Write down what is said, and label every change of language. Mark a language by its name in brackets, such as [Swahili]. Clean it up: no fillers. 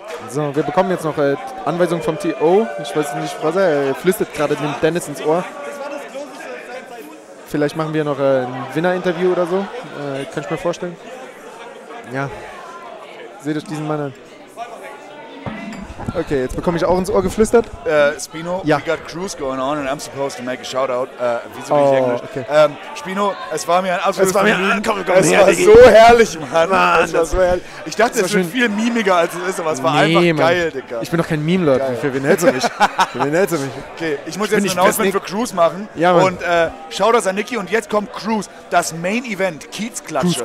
[German] So, wir bekommen jetzt noch Anweisung vom TO. Ich weiß nicht, was er flüstert gerade dem Dennis ins Ohr. Vielleicht machen wir noch ein Winner-Interview oder so. Kann ich mir vorstellen. Ja. Seht euch diesen Mann an. Okay, jetzt bekomme ich auch ins Ohr geflüstert. [English] Spino, we got cruise going on and I'm supposed to make a shout-out. [German] Wieso bin ich Englisch? Okay. Spino, es war mir ein absolutes Es war so herrlich, Mann. Ich dachte, es wird viel mimiger, als es ist, aber es war einfach geil, Digga. Ich bin doch kein Meme-Lord. Für wen hältst du mich? Okay, ich muss jetzt ein Announcement für Cruise machen. Ja, Mann. Und Shoutouts an Nikki und jetzt kommt Cruise. Das Main-Event, Kiez-Klatsche.